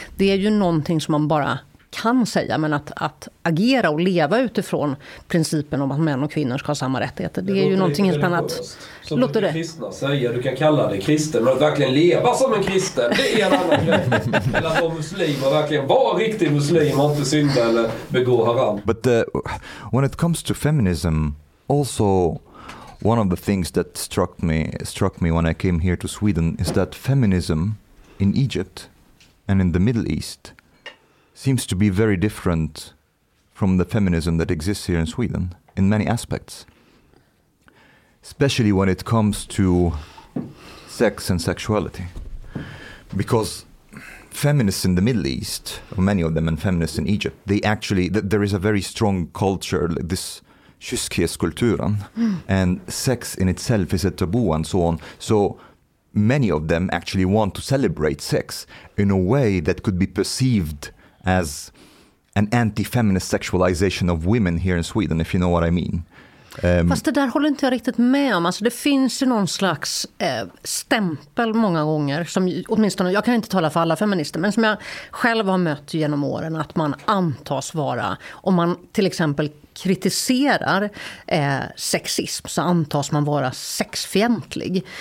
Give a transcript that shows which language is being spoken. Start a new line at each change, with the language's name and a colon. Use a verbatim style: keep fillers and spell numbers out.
Swedish: Det är ju någonting som man bara... kan säga, men att, att agera och leva utifrån principen om att män och kvinnor ska ha samma rättigheter, det, det är ju någonting helt annat. Som låter det kristna säger, du kan kalla det kristen, men att verkligen leva som en kristen, det är en annan grej. Eller att vara muslim och verkligen vara riktig muslim och inte synda eller begå haram.
English: But the, when it comes to feminism, also one of the things that struck me, struck me when I came here to Sweden is that feminism in Egypt and in the Middle East seems to be very different from the feminism that exists here in Sweden in many aspects. Especially when it comes to sex and sexuality. Because feminists in the Middle East, many of them, and feminists in Egypt, they actually, th- there is a very strong culture, like this kyskhetskulturen, mm. and sex in itself is a taboo and so on. So many of them actually want to celebrate sex in a way that could be perceived as an anti-feminist sexualization of women here in Sweden, if you know what I mean.
Swedish: Um, Fast det där håller inte jag riktigt med om. Alltså det finns ju någon slags eh, stämpel många gånger, som åtminstone, jag kan inte tala för alla feminister, men som jag själv har mött genom åren, att man antas vara, om man till exempel kritiserar eh, sexism så antas man vara sexfientlig.